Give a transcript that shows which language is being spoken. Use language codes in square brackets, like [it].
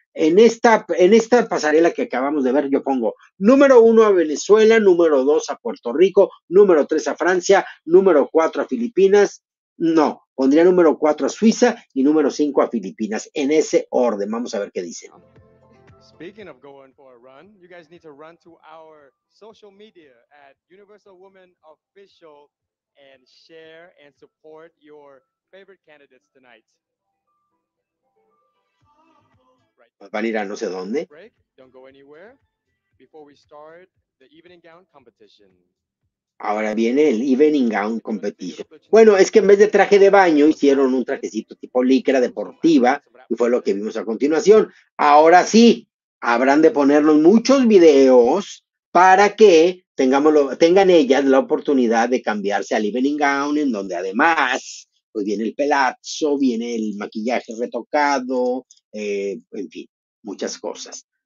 [es] En esta pasarela que acabamos de ver, yo pongo número 1 a Venezuela, número 2 a Puerto Rico, número 3 a Francia, número 4 a Filipinas. No, pondría número 4 a Suiza y número 5 a Filipinas. En ese orden, vamos a ver qué dice. [en] Speaking of going for a run, you guys need to run to our social media at Universal Woman Official and share and support your favorite candidates tonight. [es] Van a ir a no sé dónde. [en] Break, don't go anywhere before we start the evening gown competition. [es] Ahora viene el evening gown competition. Bueno, es que en vez de traje de baño hicieron un trajecito tipo licra deportiva y fue lo que vimos a continuación. Ahora sí, habrán de ponernos muchos videos para que tengan ellas la oportunidad de cambiarse al evening gown, en donde además pues viene el pelazo, viene el maquillaje retocado, en fin, muchas cosas.